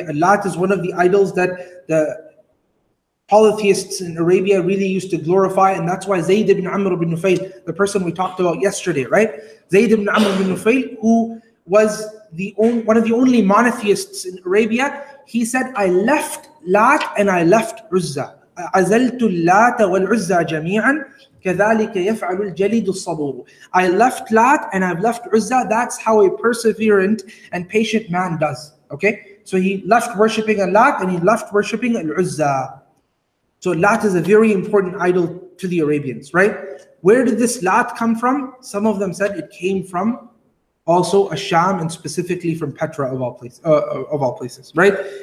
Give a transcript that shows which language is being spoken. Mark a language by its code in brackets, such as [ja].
[en] A lot is one of the idols that the polytheists in Arabia really used to glorify, and that's why Zayd ibn Amr ibn Nufayl, the person we talked about yesterday, right? Zayd ibn Amr ibn Nufayl, who was one of the only monotheists in Arabia, he said, I left Lat and I left Uzza. [ar] عَزَلْتُ اللَّاتَ وَالْعُزَّى جَمِيعًا كَذَلِكَ يَفْعَلُ الْجَلِيدُ الصَّبُورُ [en] I left Lat and I've left Uzza. That's how a perseverant and patient man does. Okay? So he left worshipping Lat and he left worshipping Al-Uzza. So Lat is a very important idol to the Arabians, right? Where did this Lat come from? Some of them said it came from also Ash-Sham, and specifically from Petra of all places, right?